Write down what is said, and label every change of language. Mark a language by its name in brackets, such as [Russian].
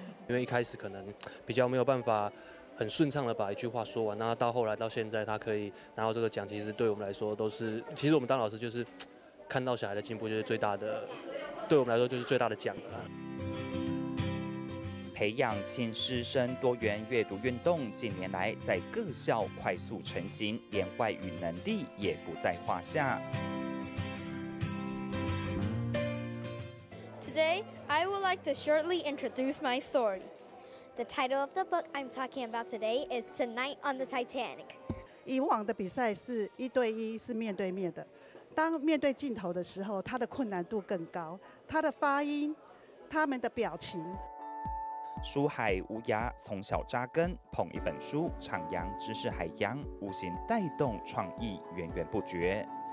[Chinese] 因为一开始可能比较没有办法很顺畅的把一句话说完，那到后来到现在他可以拿到这个奖，其实对我们来说都是，其实我们当老师就是看到小孩的进步就是最大的，对我们来说就是最大的奖了。培养亲师生多元阅读运动近年来在各校快速成型，连外语能力也不在话下。 [English] Today, I would like to shortly introduce my story. The title of the book I'm talking about today is Tonight on the Titanic. [Chinese] 以往的比赛是一对一，是面对面的，当面对镜头的时候它的困难度更高，它的发音，他们的表情。书海无涯，从小扎根，捧一本书徜徉知识海洋，无形带动创意源源不绝。